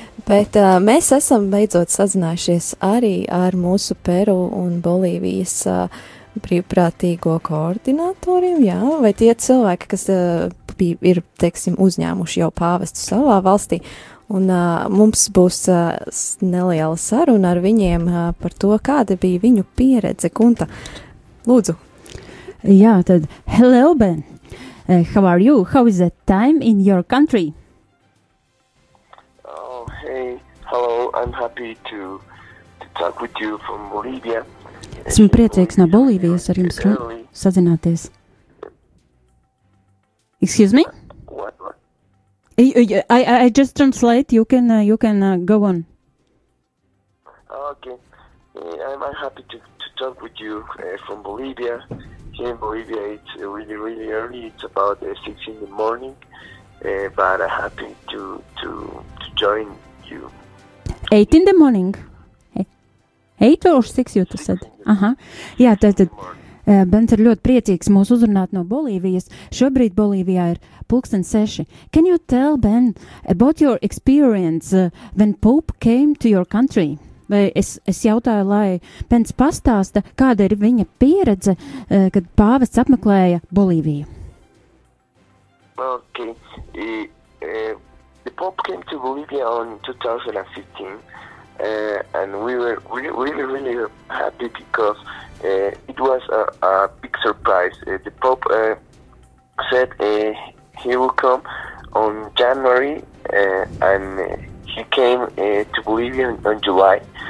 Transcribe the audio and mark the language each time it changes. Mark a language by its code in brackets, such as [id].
[lv] Bet mēs esam beidzot sazinājušies arī ar mūsu Peru un Bolīvijas brīvprātīgo koordinatoriem, jā, vai tie cilvēki, kas ir, teiksim, uzņēmuši jau pāvestu savā valstī, un mums būs neliela saruna ar viņiem par to, kāda bija viņu pieredze, Kunta. Lūdzu. Jā, tad, [en] hello, Ben. How are you? How is the time in your country? Oh, hey, hello, I'm happy to talk with you from Bolivia. [lv] Esmu priecīgs no Bolīvijas ar jums sazināties. [en] Excuse me? What? I just translate, you can go on. Okay, I'm happy to talk with you from Bolivia. Here in Bolivia it's really, really early, it's about 6 in the morning, but I'm happy to join you. 8 in the morning? 8 or 6, [lv] jūs to [en] said? Aha. [lv] Jā, tad Bens ir ļoti priecīgs mūs uzrunāt no Bolīvijas. Šobrīd Bolīvijā ir pulkstens 6. [en] Can you tell, Ben, about your experience when Pope came to your country? [lv] Vai es jautāju, lai Bens pastāsta, kāda ir viņa pieredze, kad pāvests apmeklēja Bolīviju? [en] Okay. The Pope came to Bolivia on 2015. And we were really, really, really happy because it was a big surprise. The Pope said he will come on January, and he came to Bolivia on July.